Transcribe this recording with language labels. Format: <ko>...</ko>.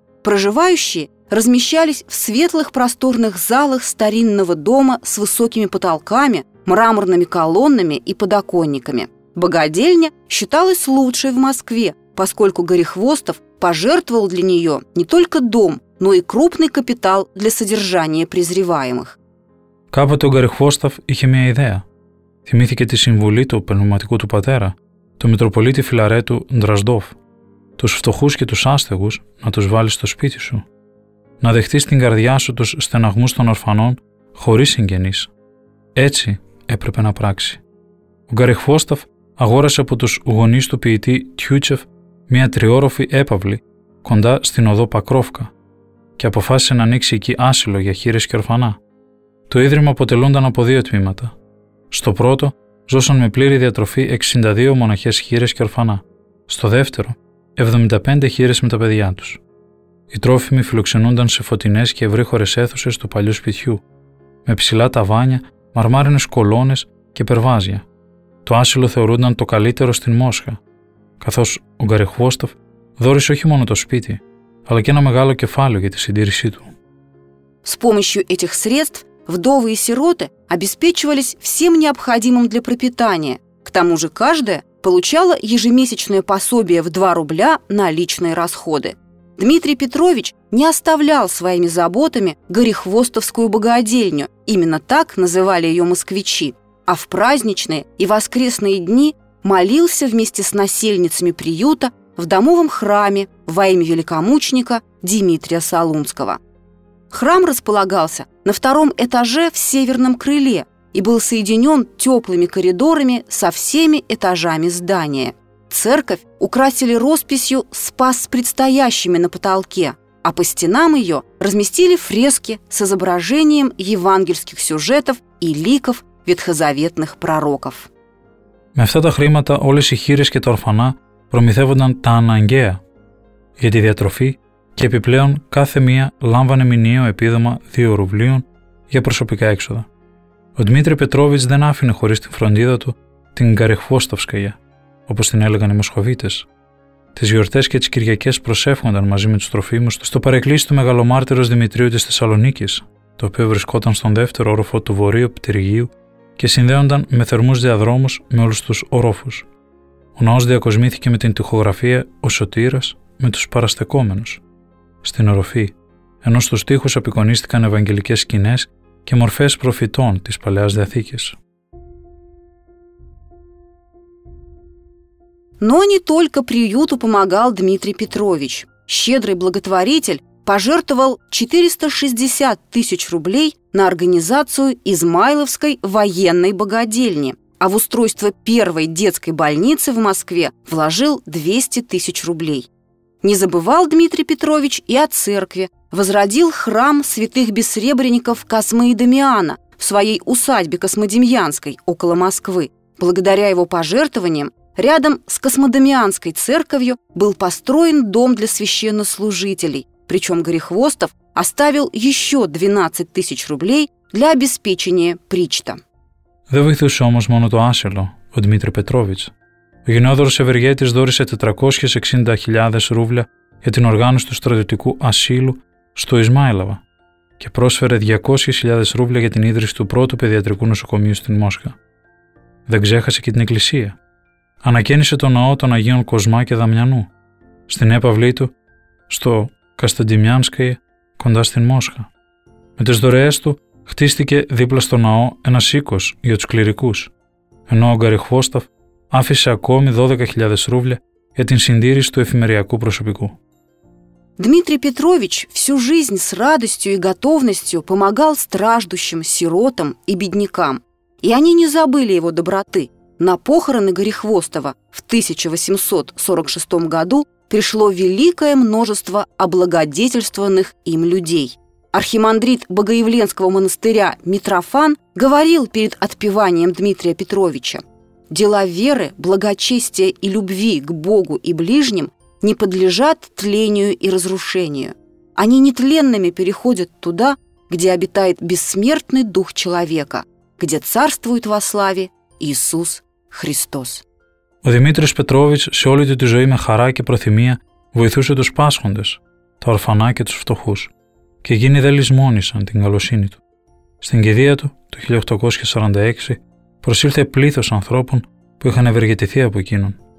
<ru>Проживающие размещались в светлых просторных залах старинного дома с высокими потолками, мраморными колоннами и подоконниками. Богадельня считалась лучшей в Москве, поскольку Горехвостов пожертвовал для нее не только дом, но и крупный капитал для содержания презреваемых. Кабату Горехвостов</ru> <el>είχε μια ιδέα. Θυμήθηκε τη συμβουλή του πνευματικού του πατέρα, του Μητροπολίτη Φιλαρέτου Ντραζντόφ, τους φτωχούς και τους άστεγους να τους βάλεις στο σπίτι σου, να δεχτείς την καρδιά σου τους στεναγμούς των ορφανών χωρίς συγγενείς. Έτσι έπρεπε να πράξει. Ο Γκαριχφόσταφ αγόρασε από τους γονείς του ποιητή Τιούτσεφ μια τριώροφη έπαυλη κοντά στην οδό Πακρόφκα και αποφάσισε να ανοίξει εκεί άσυλο για χείρες και ορφανά. Το ίδρυμα αποτελούνταν από δύο τμήματα. Στο πρώτο ζώσαν με πλήρη διατροφή 62 μοναχές χείρες και ορφανά. Στο δεύτερο, 75 χείρες με τα παιδιά τους. Οι τρόφιμοι φιλοξενούνταν σε φωτεινές και ευρύχωρες αίθουσες του παλιού σπιτιού, με ψηλά ταβάνια, μαρμάρινες κολόνες και περβάζια. Το άσυλο θεωρούνταν το καλύτερο στην Μόσχα, καθώς ο Γκαριχβόστοφ δόρισε όχι μόνο το σπίτι, αλλά και ένα μεγάλο κεφάλαιο για τη συντήρησή του.</el> <ru>С помощью этих средств вдовы и сироты обеспечивались всем необходимым для пропитания. К тому же каждая получала ежемесячное пособие в 2 рубля на личные расходы. Дмитрий Петрович не оставлял своими заботами Горехвостовскую богадельню, именно так называли ее москвичи, а в праздничные и воскресные дни молился вместе с насельницами приюта в домовом храме во имя великомученика Дмитрия Солунского. Храм располагался на втором этаже в северном крыле и был соединен теплыми коридорами со всеми этажами здания. Церковь украсили росписью «Спас с предстоящими» на потолке, а по стенам ее разместили фрески с изображением евангельских сюжетов и ликов ветхозаветных пророков.</ru> <el>Με αυτά τα χρήματα όλες οι χείρες και τα ορφανά προμηθεύονταν τα αναγκαία για τη διατροφή και επιπλέον κάθε μία λάμβανε μηνιαίο επίδομα 2 ρουβλίων για προσωπικά έξοδα. Ο Δημήτρη Πετρόβιτς δεν άφηνε χωρίς την φροντίδα του την Γκαριχφόστοφσκαγια, όπως την έλεγαν οι Μοσχοβίτες. Τις γιορτές και τις Κυριακές προσεύχονταν μαζί με τους τροφίμους στο παρεκκλήσι του Μεγαλομάρτυρος Δημητρίου της Θεσσαλονίκης, το οποίο βρισκόταν στον δεύτερο όροφο του Βορείου Πτυργίου και συνδέονταν με θερμούς διαδρόμους με όλους τους ορόφους. Ο ναός διακοσμήθηκε με την τοιχογραφία «Ο Σωτήρας» με τους παραστεκόμενους στην οροφή, ενώ στους τοίχους απεικονίστηκαν ευαγγελικές σκηνές και μορφές προφητών της Παλαιάς Διαθήκης.</el> <ru>Но не только приюту помогал Дмитрий Петрович. Щедрый благотворитель пожертвовал 460 тысяч рублей на организацию Измайловской военной богадельни, а в устройство первой детской больницы в Москве вложил 200 тысяч рублей. Не забывал Дмитрий Петрович и о церкви. Возродил храм святых бессребреников Космы и Дамиана в своей усадьбе Космодемьянской около Москвы. Благодаря его пожертвованиям рядом с Космодемьянской церковью был построен дом для священнослужителей, причем Горехвостов оставил еще 12 тысяч рублей для обеспечения причта.</ru> <el>Δεν βοηθούσε όμως μόνο το άσυλο, ο Δημήτρη Πετρόβιτς. Ο Γενναιόδωρος Ευεργέτης δόρισε 460.000 ρούβλια για την οργάνωση του στρατιωτικού ασύλου στο Ισμάιλαβα και πρόσφερε 200.000 ρούβλια για την ίδρυση του πρώτου παιδιατρικού νοσοκομείου στην Μόσχα. Δεν ξέχασε και την εκκλησία. Ανακαίνισε τον ναό των Αγίων Κοσμά και Δαμιανού στην έπαυλή του στο Κωνσταντινιάνσκαι κοντά στην Μόσχα. Με τις δωρεές του χτίστηκε δίπλα στο ναό ένας οίκος για τους κληρικούς, ενώ ο Γκαριχφόσταφ άφησε ακόμη 12.000 ρούβλια για την συντήρηση του εφημεριακού προσωπικού.</el> <ru>Дмитрий Петрович всю жизнь с радостью и готовностью помогал страждущим, сиротам и беднякам. И они не забыли его доброты. На похороны Горехвостова в 1846 году пришло великое множество облагодетельствованных им людей. Архимандрит Богоявленского монастыря Митрофан говорил перед отпеванием Дмитрия Петровича: дела веры, благочестия и любви к Богу и ближним не подлежат тлению и разрушению. Они нетленными переходят туда, где обитает бессмертный дух человека, где царствует во славе Иисус Христос.</ru> <el>Ο Δημήτρης Πετρόβιτς σε όλη τη ζωή με χαρά και προθυμία βοηθούσε τους πάσχοντες, τα ορφανά και τους φτωχούς και εκείνοι δεν λησμόνησαν την καλοσύνη του. Στην κηδεία του, το 1846, προσήλθε πλήθος ανθρώπων που είχαν ευεργετηθεί από εκείνον.</el>